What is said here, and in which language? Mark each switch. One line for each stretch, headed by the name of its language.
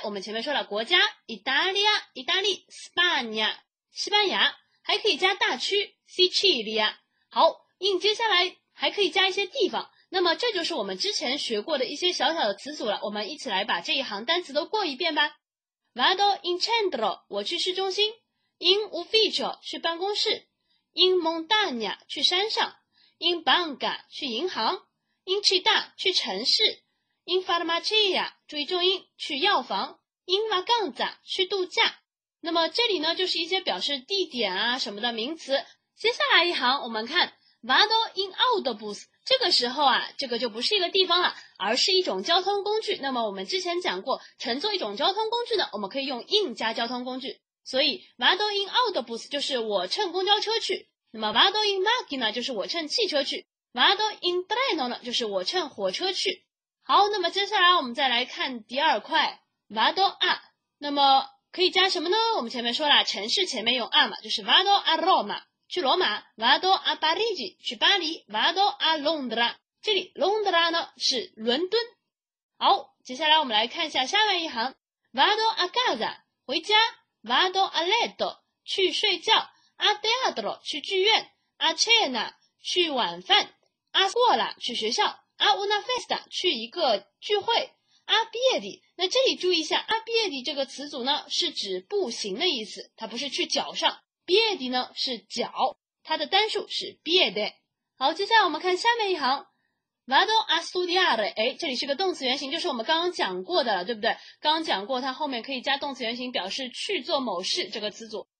Chinese: 我们前面说了国家 Italia 意大利 Spagna 西班牙，还可以加大区 Sicilia。好， in 接下来还可以加一些地方，那么这就是我们之前学过的一些小小的词组了。我们一起来把这一行单词都过一遍吧。
Italian: Vado in centro，
Chinese: 我去市中心。
Italian: In ufficio，
Chinese: 去办公室。
Italian: In montagna，
Chinese: 去山上。
Italian: In banca，
Chinese: 去银行。
Italian: In città，
Chinese: 去城市。
Italian: In farmacia，
Chinese: 注意重音，去药房。
Italian: In vacanza，
Chinese: 去度假。那么这里呢就是一些表示地点啊什么的名词。接下来一行我们看
Italian: Vado in autobus，
Chinese: 这个时候啊，这个就不是一个地方了，而是一种交通工具。那么我们之前讲过，乘坐一种交通工具呢，我们可以用 in 加交通工具。所以
Italian: vado in autobus
Chinese: 就是我乘公交车去。那么
Italian: vado in macchina
Chinese: 就是我乘汽车去。
Italian: vado in treno
Chinese: 呢，就是我乘火车去。好，那么接下来我们再来看第二块 vado a。那么可以加什么呢？我们前面说了，城市前面用 a 嘛，就是
Italian: vado a Roma。
Chinese: 去罗马，
Italian: vado a Parigi，
Chinese: 去巴黎，
Italian: vado a Londra，
Chinese: 这里 Londra 呢是伦敦。好，接下来我们来看一下下面一行，
Italian: vado a casa，
Chinese: 回家，
Italian: vado a letto，
Chinese: 去睡觉，
Italian: a teatro，
Chinese: 去剧院，
Italian: a cena，
Chinese: 去晚饭，
Italian: a scuola，
Chinese: 去学校，
Italian: a una festa，
Chinese: 去一个聚会，
Italian: a piedi。
Chinese: 那这里注意一下，
Italian: a piedi
Chinese: 这个词组呢是指步行的意思，它不是去脚上。 piedi 呢是脚，它的单数是 piede。好，接下来我们看下面一行，
Italian: vado a studiare。
Chinese: 哎，这里是个动词原形，就是我们刚刚讲过的了，对不对？刚刚讲过它后面可以加动词原形表示去做某事这个词组。